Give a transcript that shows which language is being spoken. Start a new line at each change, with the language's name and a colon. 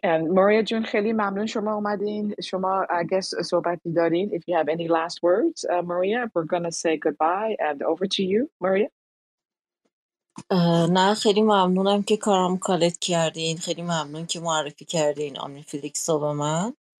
Persian: And Maria Jun, خیلی ممنون شما اومدین. شما,
English: I guess,
Persian: صحبتی دارین.
English: If you have any last words, Maria, we're going to say goodbye and over to you, Maria.
Persian: نه, خیلی ممنونم که کارام کالت کردین. خیلی ممنون که معرفی کردین آمین فیلیکس و من.